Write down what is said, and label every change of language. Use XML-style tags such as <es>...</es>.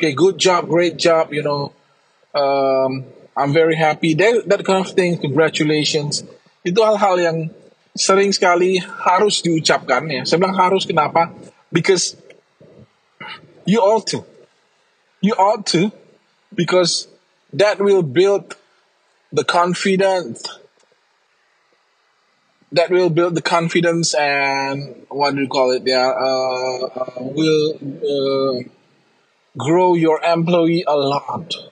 <en>Okay, good job, great job, you know. I'm very happy. That kind of thing, congratulations.</en> <id>Itu hal-hal yang sering sekali harus diucapkan. Ya. Saya bilang harus, kenapa?</id> <en>Because you ought to. You ought to, because that will build the confidence. That will build the confidence and what do you call it? Yeah, will grow your employee a lot.</en>